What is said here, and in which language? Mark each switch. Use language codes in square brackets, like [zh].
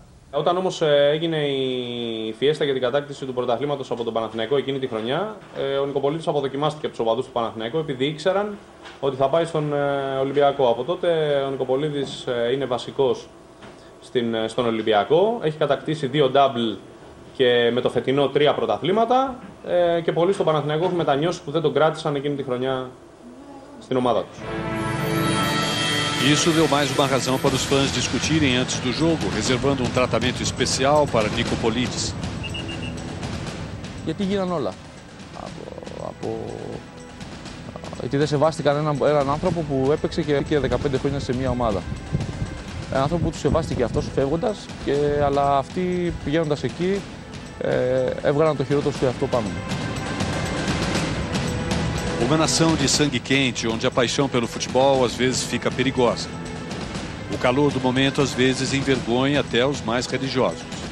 [el] Όταν όμως έγινε η φιέστα για την κατάκτηση του πρωταθλήματος από τον Παναθηναϊκό εκείνη τη χρονιά, ο Νικοπολίτης αποδοκιμάστηκε από τους οπαδούς του Παναθηναϊκού επειδή ήξεραν ότι θα πάει στον Ολυμπιακό. Από τότε ο Νικοπολίτης είναι βασικός στον Ολυμπιακό. Έχει κατακτήσει 2 double και με το φετινό 3 πρωταθλήματα. Και πολλοί στον Παναθηναϊκό έχουν μετανιώσει που δεν τον κράτησαν εκείνη τη χρονιά στην ομάδα τους. [pt] Isso deu mais uma razão para os fãs discutirem antes do jogo, reservando tratamento especial para Nikopolidis. [el] Γιατί γίναν όλα. Γιατί δεν σεβάστηκαν έναν άνθρωπο που έπαιξε και 15 χρόνια σε μια ομάδα. Έναν άνθρωπο που του σεβάστηκε αυτός φεύγοντας, αλλά αυτοί πηγαίνοντας εκεί έβγαλαν το χειρότερο στο εαυτό πάνω. [pt] Uma nação de sangue quente, onde a paixão pelo futebol às vezes fica perigosa. O calor do momento às vezes envergonha até os mais religiosos.